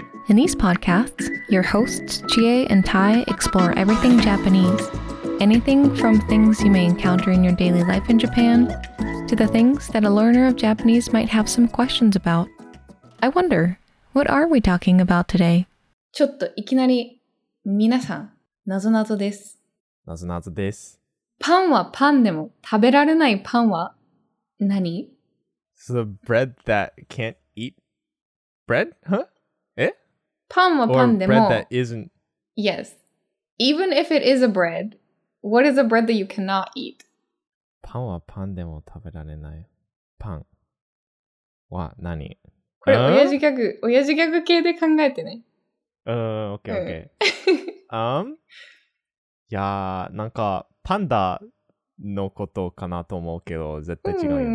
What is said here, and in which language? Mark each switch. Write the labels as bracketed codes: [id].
[en] In these podcasts, your hosts, Chie and Tai, explore everything Japanese. Anything from things you may encounter in your daily life in Japan, to the things that a learner of Japanese might have some questions about. I wonder, what are we talking about today? [ja] ちょっといきなり、皆さん、なぞなぞです。なぞなぞです。パンはパンでも、食べられないパンは何？ [en] So the bread that can't eat bread? Huh? Eh? [ja] パンはパンでも。 [en] Or bread that isn't... Yes. Even if it is a bread, what is a bread that you cannot eat? [ja] パンはパンでも食べられない。パンは何？これ、親父ギャグ、親父ギャグ系で考えてね。 [en] Okay, okay. [ja] いやー、なんか、パンダのことかなと思うけど、絶対違うよね。う